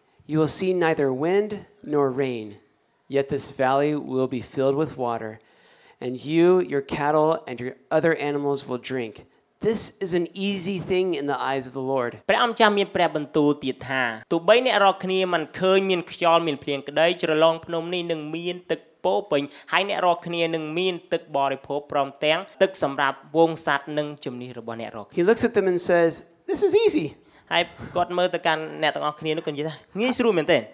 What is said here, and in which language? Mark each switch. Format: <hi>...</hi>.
<en>You will see neither wind nor rain, yet this valley will be filled with water, and you, your cattle and your other animals will drink. This is an easy thing in the eyes of the Lord.</en> <km>ព្រះអម្ចាស់មានព្រះបន្ទូលទៀតថាទោះបីអ្នករកគ្នាមិនឃើញមានខ្យល់មានភ្លៀងក្តីច្រឡងភ្នំនេះនឹងមានទឹកពោពេញហើយអ្នករកគ្នានឹងមានទឹកបរិភោគព្រមទាំងទឹកសម្រាប់វងសត្វនិងជំនីរបស់អ្នករក</km> <en>He looks at them and says, "This is easy."</en> <km>ហើយគាត់មើលទៅកាន់អ្នកទាំងអស់គ្នានោះក៏និយាយថាងាយស្រួលមែនទែន</km>